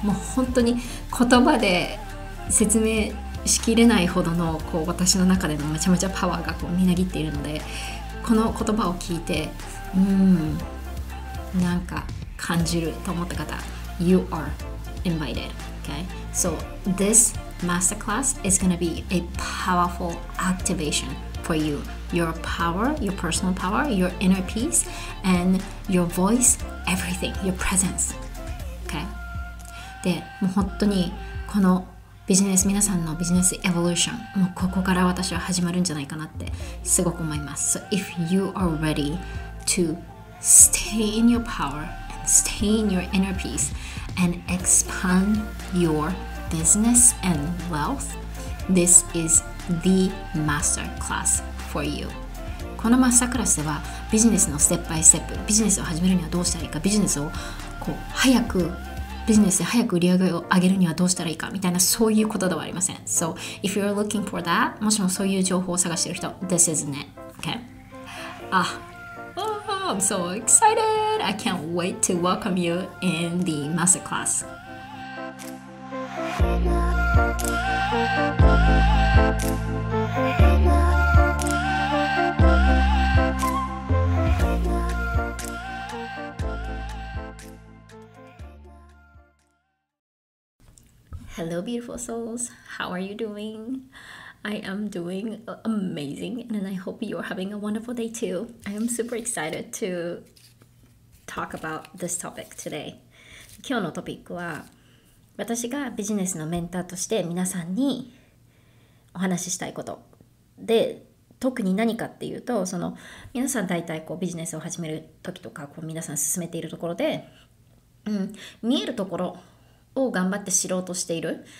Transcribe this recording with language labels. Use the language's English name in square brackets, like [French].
[Japanese] もう本当に言葉で説明しきれないほどのこう私の中でのめちゃめちゃパワーがこうみなぎっているので、この言葉を聞いて、なんか感じると思った方、 [English] You are invited, okay? So this masterclass is gonna be a powerful activation for you. Your power, your personal power, your inner peace, and your voice, everything, your presence, okay? [Japanese] で、もう本当にこのビジネス、皆さんのビジネスエボリューション、もうここから私は始まるんじゃないかなってすごく思います。 [English] So if you are ready to stay in your power and stay in your inner peace and expand your business and wealth, this is the master class for you. [Japanese] このマスタークラスではビジネスのステップバイステップ、ビジネスを始めるにはどうしたらいいか、ビジネスをこう早くビジネスで早く売り上げを上げるにはどうしたらいいかみたいな、そういうことではありません。 [English] So if you're looking for that、 [Japanese] もしもそういう情報を探してる人、 [English] This is it、 Okay、 あ、oh, I'm so excited、 I can't wait to welcome you in the masterclass。 Hello, beautiful souls. How are you doing? I am doing amazing, and I hope you are having a wonderful day too. I am super excited to talk about this topic today. [Japanese] 今日のトピックは、私がビジネスのメンターとして皆さんにお話ししたいことで、特に何かっていうと、その皆さん大体こうビジネスを始める時とか、こう皆さん進めているところで、うん、見えるところを頑張って知ろうとしている。